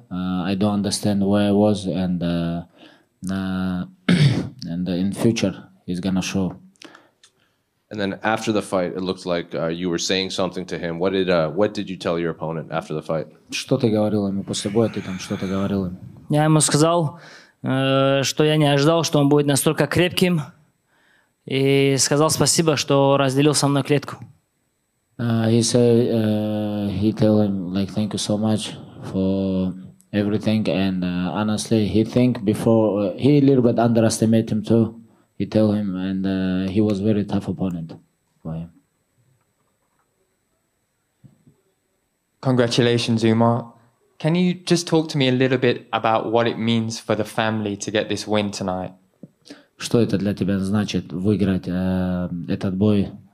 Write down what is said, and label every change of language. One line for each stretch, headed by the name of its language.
English: I don't understand where I was, and and in future, he's gonna show. And then after the fight, it looked like you were saying something to him. What did you tell your opponent after the fight?
Russian: Что ты говорил ему после боя? Ты там что-то говорил ему? Я ему сказал, что я не ожидал, что он будет настолько крепким, и сказал спасибо, что разделил со мной клетку.
English: He said, he told him like thank you so much for everything. And honestly, he think before he a little bit underestimate him too. He tell him, and he was very tough opponent for him. Congratulations, Umar. Can you just talk to me a little bit about what it means for the family to get this win tonight?
Russian: Что это для тебя значит выиграть этот бой?